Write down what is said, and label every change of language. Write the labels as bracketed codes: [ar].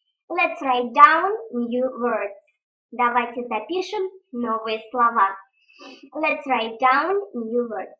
[en] Let's write down new words. [ru] Давайте запишем новые слова. [en] Let's write down new words.